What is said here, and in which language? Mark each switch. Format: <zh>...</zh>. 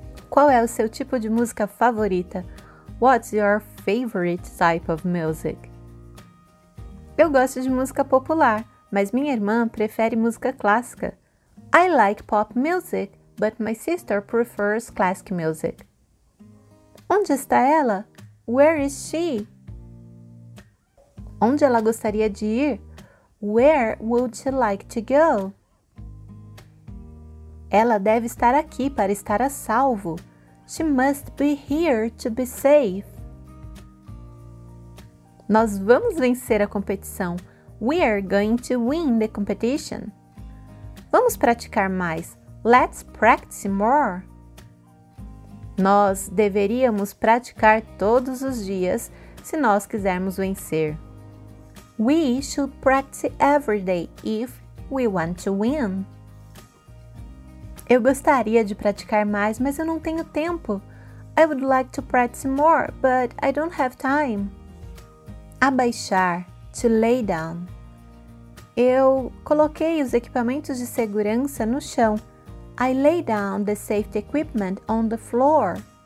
<pt>Qual é o seu tipo de música favorita?</pt> <en>What's your favorite type of music?</en> <pt>Eu gosto de música popular, mas minha irmã prefere música clássica.</pt> <en>I like pop music, but my sister prefers classic music.</en> <pt>Onde está ela?</pt> <en>Where is she?</en> <pt>Onde ela gostaria de ir?</pt> <en>Where would she like to go?</en> <pt>Ela deve estar aqui para estar a salvo.</pt> <en>She must be here to be safe.</en> <pt>Nós vamos vencer a competição.</pt> <en>We are going to win the competition.</en> <pt>Vamos praticar mais.</pt> <en>Let's practice more.</en> <pt>Nós deveríamos praticar todos os dias se nós quisermos vencer.</pt> <en>We should practice every day if we want to win.</en> <pt>Eu gostaria de praticar mais, mas eu não tenho tempo.</pt> <en>I would like to practice more, but I don't have time. Abaixar, to lay down.</en> <pt>Eu coloquei os equipamentos de segurança no chão.</pt> <en>I lay down the safety equipment on the floor.</en>